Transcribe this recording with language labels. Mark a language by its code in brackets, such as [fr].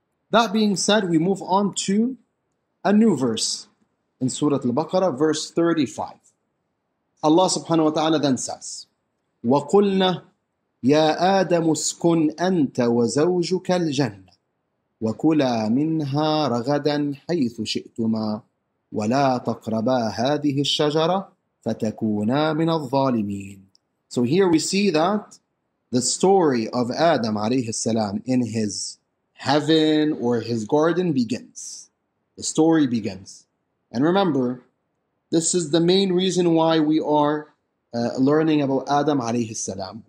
[en] That being said, we move on to a new verse in Surah Al-Baqarah, verse 35. Allah subhanahu wa ta'ala then says, [ar] وَقُلْنَا يَا آدَمُ اسْكُنْ أَنْتَ وَزَوْجُكَ الْجَنَّةِ وَكُلَا مِنْهَا رَغَدًا حَيْثُ شِئْتُمَا وَلَا تَقْرَبَا هَذِهِ الشَّجَرَةِ فَتَكُونَا مِنَ الظَّالِمِينَ. [en] So here we see that the story of Adam alayhi salam in his heaven or his garden begins. The story begins. And remember, this is the main reason why we are learning about Adam alayhi salam.